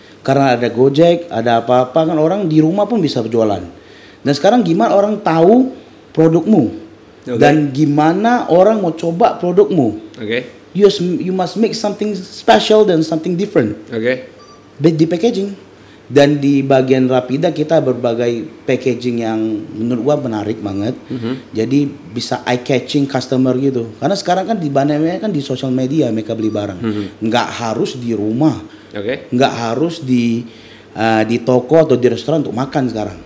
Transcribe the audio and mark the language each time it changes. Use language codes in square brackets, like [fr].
[id] Karena ada Gojek, ada apa-apa kan, orang di rumah pun bisa berjualan. Dan sekarang gimana orang tahu produkmu? Okay. Dan gimana orang mau coba produkmu? Oke. Okay. [en] You must make something special dan something different. Oke. [id] Okay. Di packaging. Dan di bagian Rapida kita berbagai packaging yang menurut gua menarik banget. Jadi bisa [en] eye catching customer [id] gitu. Karena sekarang kan di banyaknya kan di social media mereka beli barang. Enggak harus di rumah. Oke. Okay. Enggak harus di toko atau di restoran untuk makan sekarang.